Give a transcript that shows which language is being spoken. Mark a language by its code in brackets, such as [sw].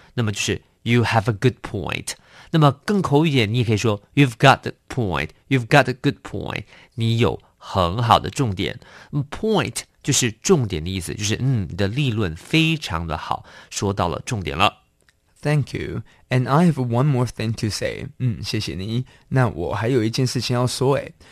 [zh] 那么就是 [en] you have a good point。 [zh] 那么更口语一点，你也可以说 [en] you've got the point, you've got a good point。 [zh] 你有很好的重点。Point. 就是重点的意思，就是你的立论非常的好，说到了重点了。 [en] Thank you, and I have one more thing to say. [zh] 谢谢你。那我还有一件事情要说诶。